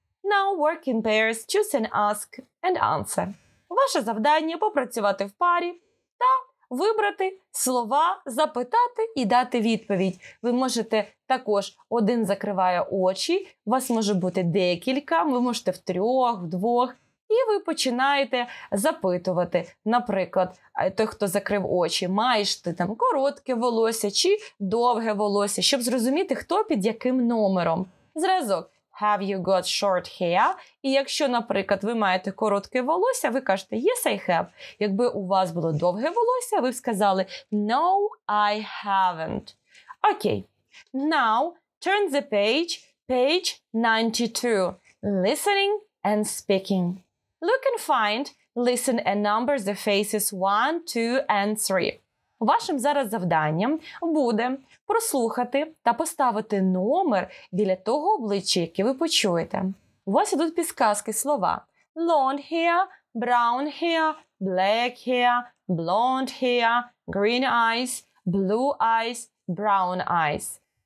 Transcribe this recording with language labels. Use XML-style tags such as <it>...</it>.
<en>Now work in pairs, choose and ask and answer.</en> <uk>Ваше завдання – попрацювати в парі та вибрати слова, запитати і дати відповідь. Ви можете також, один закриває очі, у вас може бути декілька, ви можете в трьох, в двох. І ви починаєте запитувати, наприклад, той, хто закрив очі, маєш ти там коротке волосся чи довге волосся, щоб зрозуміти, хто під яким номером. Зразок</uk> <en>«Have you got short hair?»</en> <uk>І якщо, наприклад, ви маєте коротке волосся, ви кажете</uk> <en>«Yes, I have».</en> <uk>Якби у вас було довге волосся, ви б сказали</uk> <en>«No, I haven't».</en> <uk>Окей.</uk> <en>Now, turn the page, page 92. Listening and speaking. Look and find, listen and number the faces 1, 2 and 3.</en> <uk>Вашим зараз завданням буде прослухати та поставити номер біля того обличчя, яке ви почуєте. У вас ідуть підказки слова:</uk> <en>long hair, brown hair, black hair, blonde hair, green eyes, blue eyes, brown eyes.</en>